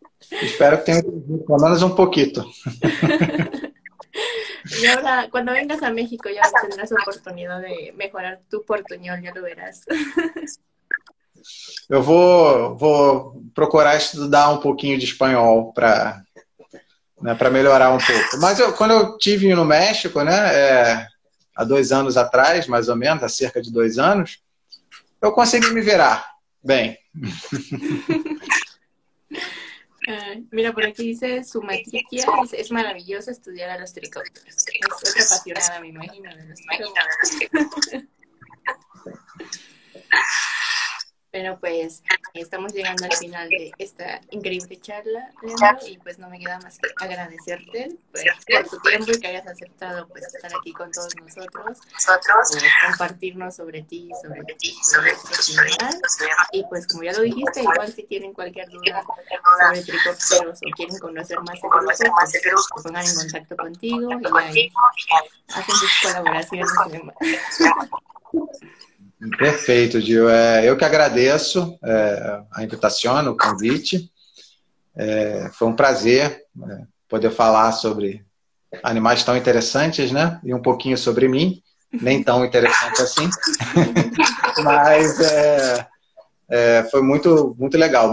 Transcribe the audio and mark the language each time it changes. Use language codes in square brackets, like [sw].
[es] Espero que tenga por lo menos un poquito. Y ahora, cuando vengas a México, ya tendrás oportunidad de mejorar tu portuñol, ya lo verás. Yo voy a procurar estudiar un poquito de español para. [pt] Né, para melhorar um pouco. Mas quando eu tive no México, né, há 2 anos atrás, mais ou menos, há cerca de 2 anos, eu consegui me virar bem. Mira, por aqui diz su matriz, é maravilhoso estudar a los tricópteros. É outra apaixonada, me imagino. [es] Bueno, pues estamos llegando al final de esta increíble charla, Leandro, y pues no me queda más que agradecerte por tu tiempo y que hayas aceptado pues estar aquí con todos nosotros, compartirnos sobre ti y sobre tu actividad. Y pues como ya lo dijiste, igual si tienen cualquier duda sobre tricópteros o quieren conocer más de grupo, pues se pongan en contacto contigo y ahí hacen sus colaboraciones y demás. [pt] Perfeito, Gil. Eu que agradeço a invitação, o convite. Foi um prazer poder falar sobre animais tão interessantes, né? E um pouquinho sobre mim, nem tão interessante assim. Mas foi muito, muito legal.